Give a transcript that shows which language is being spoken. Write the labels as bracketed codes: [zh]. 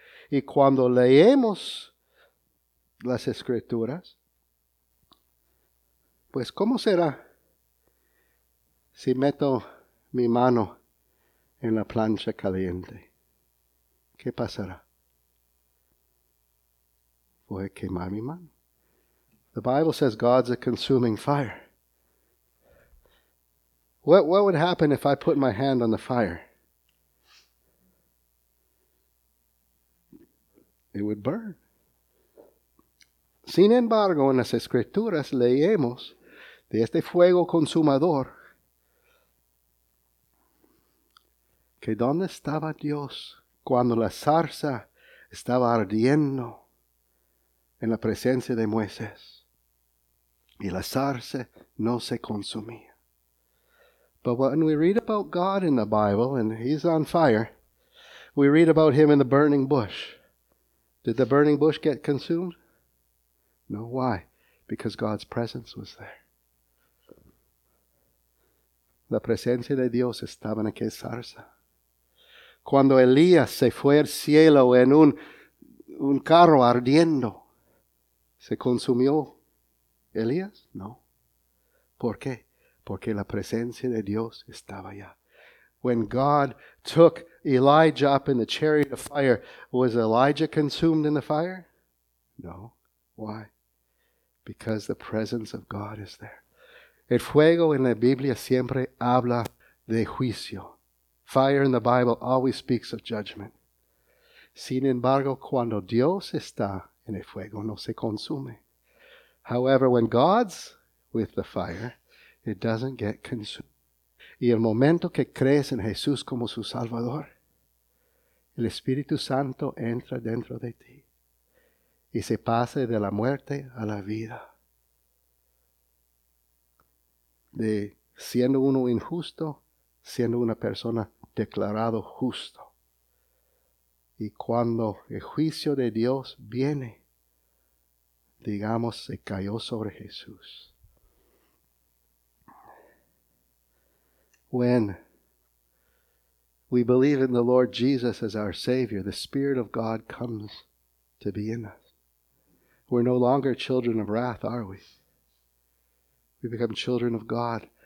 [es] Y cuando leemos las Escrituras, pues ¿cómo será si meto mi mano en la plancha caliente? ¿Qué pasará? Voy a quemar mi mano. [en] The Bible says God's a consuming fire. What would happen if I put my hand on the fire? It would burn. [es] Sin embargo, en las Escrituras leemos de este fuego consumador que ¿dónde estaba Dios cuando la zarza estaba ardiendo en la presencia de Moisés y la zarza no se consumía? [en] But when we read about God in the Bible and he's on fire, we read about him in the burning bush. Did the burning bush get consumed? No, why? Because God's presence was there. [es] La presencia de Dios estaba en aquella zarza. Cuando Elías se fue al cielo en un carro ardiendo, ¿se consumió Elías? No. ¿Por qué? Porque la presencia de Dios estaba allá. [en] When God took Elijah up in the chariot of fire, was Elijah consumed in the fire? No. Why? Because the presence of God is there. [es] El fuego en la Biblia siempre habla de juicio. [en] Fire in the Bible always speaks of judgment. [es] Sin embargo, cuando Dios está en el fuego, no se consume. [en] However, when God's with the fire, it doesn't get consumed. [es] Y el momento que crees en Jesús como su Salvador, el Espíritu Santo entra dentro de ti y se pasa de la muerte a la vida. De siendo uno injusto, siendo una persona declarado justo. Y cuando el juicio de Dios viene, digamos, se cayó sobre Jesús. [en] When we believe in the Lord Jesus as our Savior, the Spirit of God comes to be in us. We're no longer children of wrath, are we? We become children of God,